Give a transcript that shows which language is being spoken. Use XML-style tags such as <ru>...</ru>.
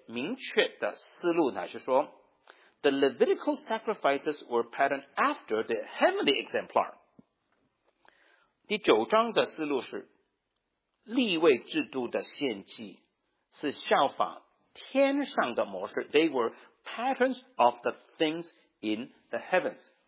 <zh>希伯来书第九章特别明确的思路乃是说</zh> <en>the Levitical sacrifices were patterned after the heavenly exemplar.</en> <zh>第九章的思路是立位制度的献祭是效法天上的模式。</zh> <en>They were patterns of the things in the heavens.</en>